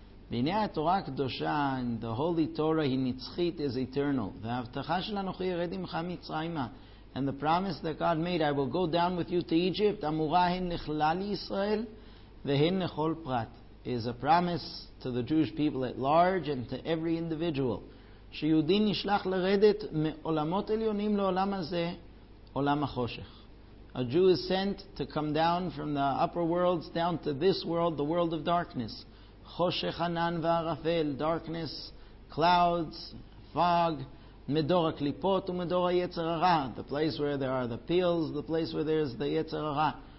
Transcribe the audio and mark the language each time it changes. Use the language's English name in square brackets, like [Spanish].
[Hebrew] V'inei HaTorah Kedosha, [English] and the Holy Torah, [Hebrew] hi nitzchit, [English] is eternal. [Hebrew] V'havtacha shel anochi yeredim cha mitzrayimah, [English] and the promise that God made, I will go down with you to Egypt, [Hebrew] amura hin nechlali Yisrael, v'hin nechol prat, [English] is a promise to the Jewish people at large and to every individual. [Hebrew] שיהודי נשלח לרדת מעולמות עליונים לעולם הזה, עולם החושך. [English] A Jew is sent to come down from the upper worlds down to this world, the world of darkness. [Hebrew] חושך ענן וערפל, [English] darkness, clouds, fog, [Hebrew] מדור הקליפות ומדור היצר הרע, [English] the place where there are the pills, the place where there is the יצר הרע.